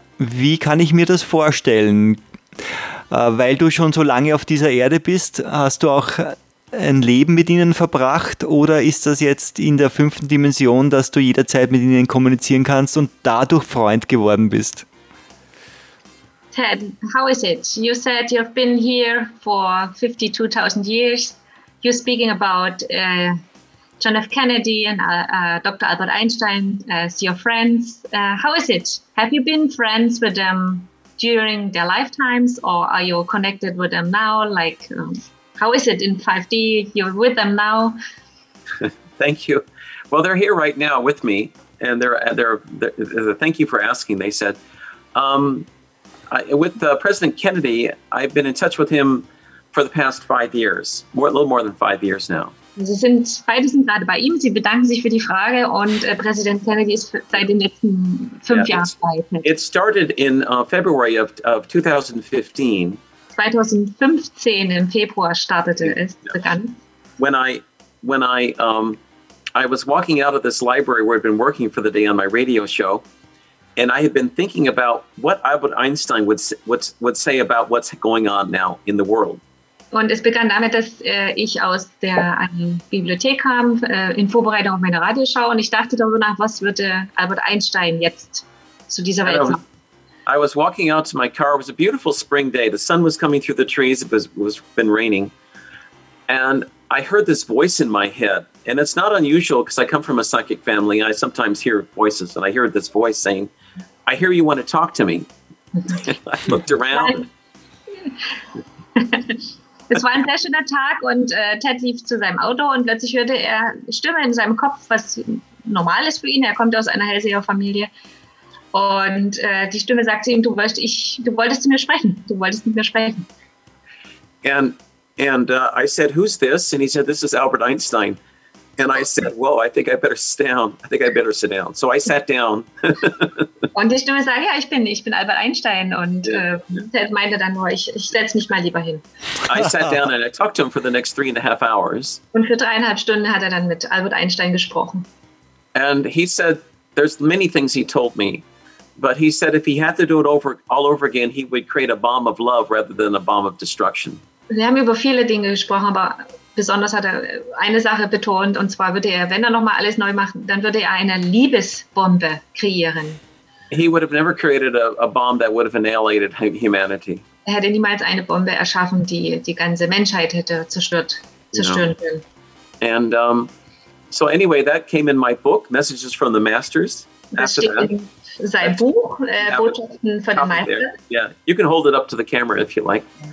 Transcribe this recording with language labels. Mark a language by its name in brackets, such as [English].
[German] Wie kann ich mir das vorstellen? Weil du schon so lange auf dieser Erde bist, hast du auch ein Leben mit ihnen verbracht, oder ist das jetzt in der fünften Dimension, dass du jederzeit mit ihnen kommunizieren kannst und dadurch Freund geworden bist? [English] Ted, how is it? You said you've been here for 52,000 years. You're speaking about John F. Kennedy and Dr. Albert Einstein as your friends. How is it? Have you been friends with them during their lifetimes, or are you connected with them now? Like, how is it in 5D? You're with them now. Thank you. Well, they're here right now with me, and they're thank you for asking. They said, With President Kennedy, I've been in touch with him for the past 5 years, a little more than 5 years now. [German] Sie sind, beide sind gerade bei ihm. Sie bedanken sich für die Frage, und Präsident Kennedy ist seit den letzten fünf Jahren bei ihm. [English] It started in February of 2015. [German] 2015 im Februar startete es. Begann. [English] When I was walking out of this library where I'd been working for the day on my radio show. And I have been thinking about what Albert Einstein would say about what's going on now in the world. [German] Und es begann damit, dass ich aus der Bibliothek kam in Vorbereitung auf meine Radioshow, und ich dachte darüber nach, was würde Albert Einstein jetzt zu dieser Welt sagen. [English] I was walking out to my car. It was a beautiful spring day. The sun was coming through the trees. It was been raining, and I heard this voice in my head. And it's not unusual, because I come from a psychic family. I sometimes hear voices, and I hear this voice saying, I hear you want to talk to me. I looked around. [German] Es war ein sehr schöner Tag, und Ted lief zu seinem Auto, und plötzlich hörte er Stimme in seinem Kopf, was normal ist für ihn. Er kommt aus einer Hellseher-Familie. Und die Stimme sagte ihm, du wolltest mit mir sprechen. [English] And I said, who's this? And he said, this is Albert Einstein. And I said, well, I think I better sit down. So I sat down. [German] Und die Stimme sagt, ja, ich bin Albert Einstein. Und Ted meinte dann nur, ich setze mich mal lieber hin. [English] I sat down and I talked to him for the next 3.5 hours. [German] Und für 3.5 Stunden hat er dann mit Albert Einstein gesprochen. [English] And he said, there's many things he told me. But he said, if he had to do it all over again, he would create a bomb of love rather than a bomb of destruction. [German] Wir haben über viele Dinge gesprochen, aber besonders hat er eine Sache betont, und zwar würde er, wenn er nochmal alles neu macht, dann würde er eine Liebesbombe kreieren. [English] He would have never created a bomb that would have annihilated humanity. [German] Er hätte niemals eine Bombe erschaffen, die die ganze Menschheit hätte zerstören können. [English] And so anyway, that came in my book, Messages from the Masters. [German] Das steht in seinem Buch, Botschaften von den Meistern. [English] Yeah, you can hold it up to the camera if you like.